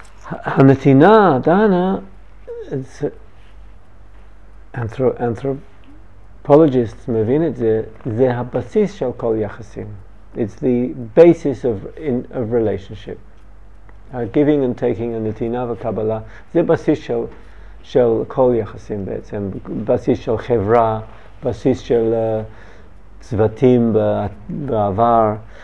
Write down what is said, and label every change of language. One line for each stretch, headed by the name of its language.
Hebrew: הנתינה, דנה, anthropologists מבין את זה, זה הבסיס של כל יחסים.
English: It's the basis of relationship. Giving and taking and
Hebrew: נתינה וקבלה, זה בסיס של כל יחסים בעצם, בסיס של חברה, בסיס של צוותים בעבר.